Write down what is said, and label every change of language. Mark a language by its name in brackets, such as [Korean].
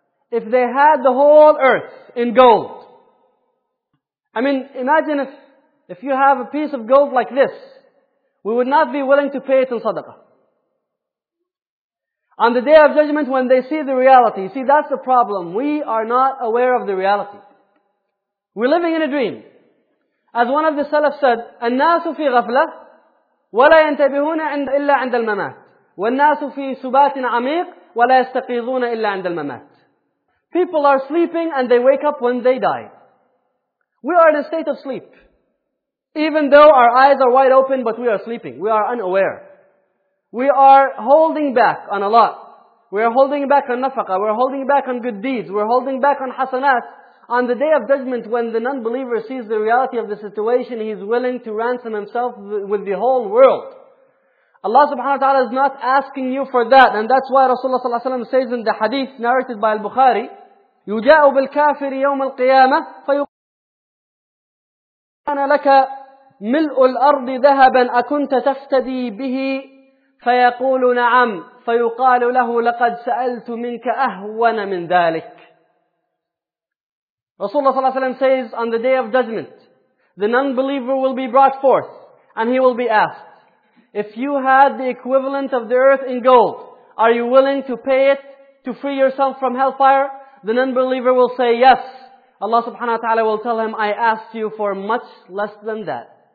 [English] If they had the whole earth in gold. I mean, imagine if you have a piece of gold like this, we would not be willing to pay it in sadaqah. On the day of judgment when they see the reality, see that's the problem. We are not aware of the reality. We're living in a dream. [Arabic] As one of the Salaf said, النَّاسُ فِي غَفْلَةٍ وَلَا يَنْتَبِهُونَ إِلَّا عِنْدَ الْمَمَاتِ وَالنَّاسُ فِي سُبَاتٍ عَمِيقٍ وَلَا يَسْتَقِيظُونَ إِلَّا عِنْدَ الْمَمَاتِ. [English] People are sleeping and they wake up when they die. We are in a state of sleep. Even though our eyes are wide open, but we are sleeping. We are unaware. We are holding back on a lot. We are holding back on nafaqah. We are holding back on good deeds. We are holding back on hasanat. On the day of judgment, when the non-believer sees the reality of the situation, he is willing to ransom himself with the whole world. Allah subhanahu wa ta'ala is not asking you for that. [Arabic] And that's why Rasulullah sallallahu alayhi wa sallam says in the hadith narrated by al-Bukhari, يُجَاءُ بِالْكَافِرِ يَوْمَ الْقِيَامَةِ فَيُقْرَ أَنَا لَكَ مِلْءُ الْأَرْضِ ذَهَبًا أَكُنْتَ تَفْتَدِي بِهِ فَيَقُولُ نَعَمْ فَيُقَالُ لَهُ لَقَدْ سَأَلْتُ مِنْكَ أَهْوَنَ مِنْ ذَلِكَ. [English] Rasulullah sallallahu alayhi wa sallam says, on the day of judgment, the non-believer will be brought forth, and he will be asked, if you had the equivalent of the earth in gold, are you willing to pay it to free yourself from hellfire? The non-believer will say yes. Allah subhanahu wa ta'ala will tell him, I asked you for much less than that.